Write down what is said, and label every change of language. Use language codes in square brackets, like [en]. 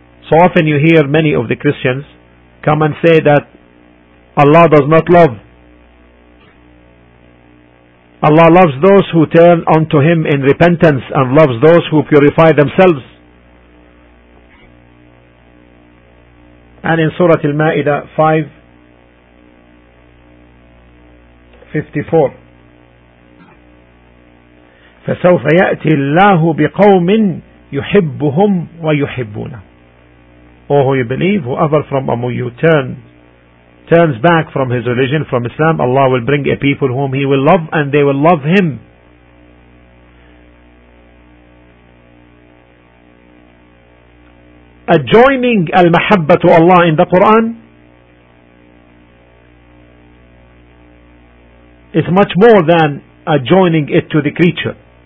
[en] So often you hear many of the Christians come and say that Allah does not love. Allah loves those who turn unto Him in repentance and loves those who purify themselves. And in Surah Al-Ma'idah 5:54, [ar] فَسَوْفَ يَأْتِي اللَّهُ بِقَوْمٍ يُحِبُّهُمْ وَيُحِبُّونَهُ. [en] Oh, who you believe, whoever from among you turns back from his religion, from Islam, Allah will bring a people whom He will love and they will love Him. Adjoining al-mahabba to Allah in the Quran is much more than adjoining it to the creature.